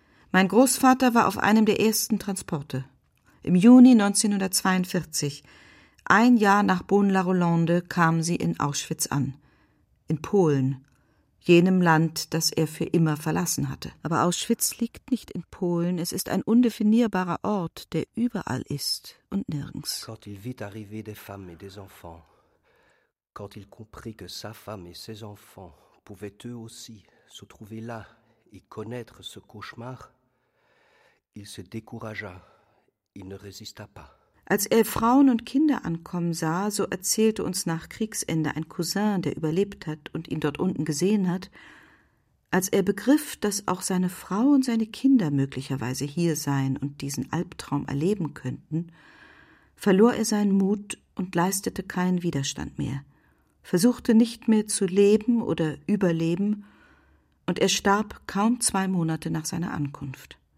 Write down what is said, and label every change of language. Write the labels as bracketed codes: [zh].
[de] Mein Großvater war auf einem der ersten Transporte. Im Juni 1942, ein Jahr nach Beaune-la-Rolande, kamen sie in Auschwitz an. In Polen, jenem Land, das er für immer verlassen hatte. Aber Auschwitz liegt nicht in Polen. Es ist ein undefinierbarer Ort, der überall ist und nirgends. [fr] Quand il vit arriver des femmes et des enfants, quand il comprit que sa femme et ses enfants pouvaient eux aussi se trouver là et connaître ce cauchemar, il se découragea, il ne résista pas. [de] Als er Frauen und Kinder ankommen sah, so erzählte uns nach Kriegsende ein Cousin, der überlebt hat und ihn dort unten gesehen hat, als er begriff, dass auch seine Frau und seine Kinder möglicherweise hier seien und diesen Albtraum erleben könnten, verlor er seinen Mut und leistete keinen Widerstand mehr, versuchte nicht mehr zu leben oder überleben, und er starb kaum 2 Monate nach seiner Ankunft.